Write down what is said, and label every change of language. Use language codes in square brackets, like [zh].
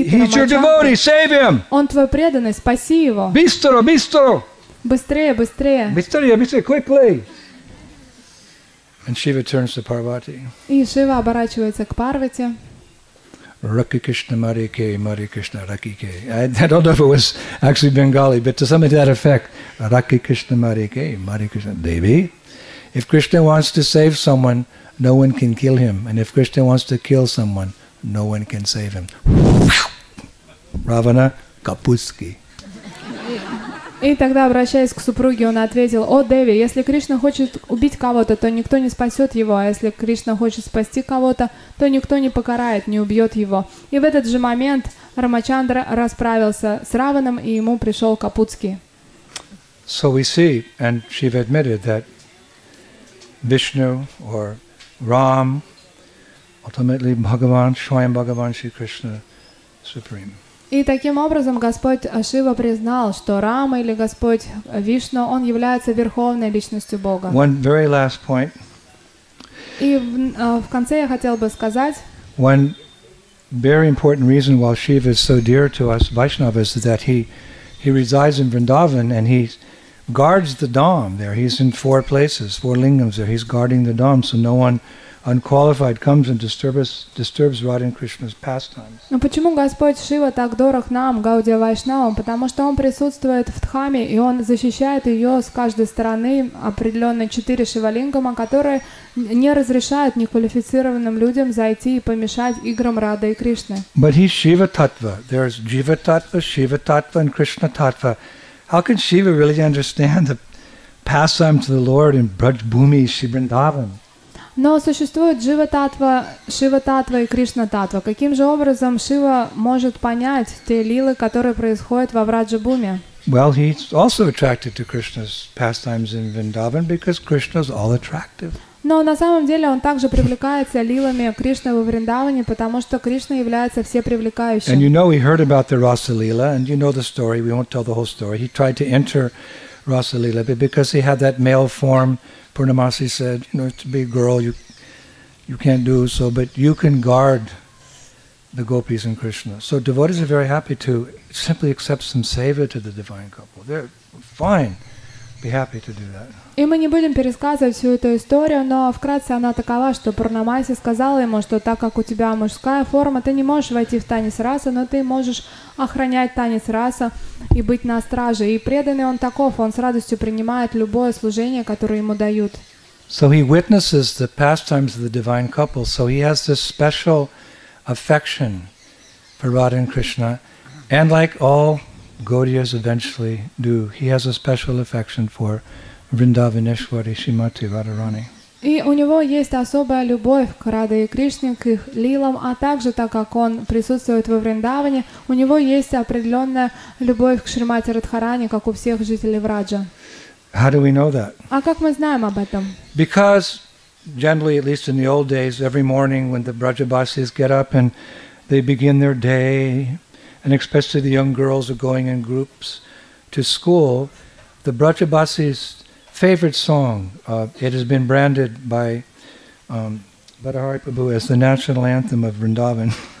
[ru] Рамачандры. Он твой преданный, спаси его!» Быстро, быстро! Быстрее, быстрее! [en] Быстрее, быстрее, quickly! And Shiva turns to Parvati. [ru] И Шива оборачивается к Парвати. Раки Кришна, Марике, Мари Кришна, Раки Ке. [en] I don't know if it was actually Bengali, but to something to that effect. Раки Кришна, Марике, Мари Кришна, Деви. If Krishna wants to save someone, no one can kill him. And if Krishna wants to kill someone, no one can save him. Равана Капуски. [ru] И тогда, обращаясь к супруге, он ответил, «О, Деви, если Кришна хочет убить кого-то, то никто не спасет его, а если Кришна хочет спасти кого-то, то никто не покарает, не убьет его». И в этот же момент Рамачандра расправился с Раваном, и ему пришел Капуцки. [en] So we see, and Shiva admitted, that Vishnu or Ram, ultimately Bhagavan, Swayam Bhagavan Shri Krishna Supreme. [ru] И таким образом Господь Шива признал, что Рама или Господь Вишну, он является верховной личностью Бога. [en] One very last point. [ru] И в конце я хотел бы сказать. [en] One very important reason why Shiva is so dear to us Vaishnavas is that he resides in Vrindavan and he guards the dham there. He's in four places, four lingams there. He's guarding the dham, so no one unqualified comes and disturbs Radha and Krishna's pastimes. [ru] Но почему Господь Шива так дорог нам, Гаудия Вайшнавам? Потому что Он присутствует в Дхаме, и Он защищает ее с каждой стороны, определенные четыре шивалингама, которые не разрешают неквалифицированным людям зайти и помешать играм Рады и Кришны. [en] But he's Shiva Tattva. There's Jiva Tattva, Shiva Tattva, and Krishna Tattva. How can Shiva really understand the pastimes of the Lord in Braj Bhumi, Shri Vrindavan? [ru] Но существует Джива-татва, Шива-татва и Кришна-татва. Каким же образом Шива может понять те лилы, которые происходят во Враджа-бхуме? [en] Well, he's also attracted to Krishna's pastimes in Vrindavan because Krishna's all attractive. [ru] Но на самом деле он также привлекается лилами Кришны во Вриндаване, потому что Кришна является всепривлекающим. [en] And you know, he heard about the Rasa-лила, and you know the story, we won't tell the whole story. He tried to enter Rasa-лила, but because he had that male form, Purnamasi said, you know, to be a girl, you can't do so, but you can guard the gopis and Krishna. So devotees are very happy to simply accept some seva to the divine couple. They're fine. Be happy to do that. [ru] И мы не будем пересказывать всю эту историю, но вкратце она такова, что Пурнамаси сказала ему, что так как у тебя мужская форма, ты не можешь войти в танец раса, но ты можешь охранять танец раса и быть на страже. И преданный он таков, он с радостью принимает любое служение, которое ему дают. [en] So he witnesses the pastimes of the divine couple, so he has this special affection for Radha and Krishna, and like all Gaudiyas eventually do, he has a special affection for Vrindavaneshwari, Shrimati Radharani. [ru] И у него есть особая любовь к Раде и Кришне, к их лилам, а также, так как он присутствует во Вриндаване, у него есть определенная любовь к Шримати Радхарани, как у всех жителей Враджа. [en] How do we know that? [ru] А как мы знаем об этом? [en] Because generally, at least in the old days, every morning when the Vrajabasis get up and they begin their day, and especially the young girls are going in groups to school, the Vrajabasis favorite song, it has been branded by Badahari Prabhu as the national anthem of Vrindavan.